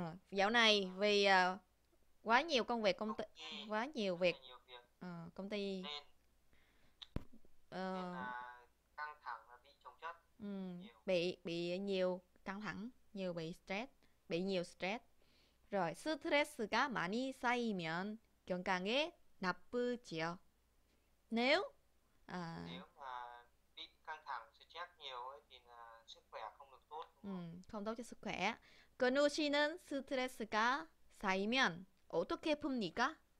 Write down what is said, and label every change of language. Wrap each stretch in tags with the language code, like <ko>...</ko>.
<vi>Dạo này vì quá nhiều công việc công ty, quá nhiều Rất là việc nhiều việc công ty nên nên là căng thẳng và bị chồng chất nhiều. bị nhiều căng thẳng, nhiều bị stress, bị nhiều stress.</vi> <ko>Rồi, 스트레스가 많이 쌓이면 건강에 나쁘지요.</ko> <vi>Nếu Nếu mà bị căng thẳng stress nhiều ấy thì là sức khỏe không được tốt đúng không? không tốt cho sức khỏe. Còn nếu</vi> <ko>씨는 스트레스가 쌓이면 어떻게 풉니까?</ko>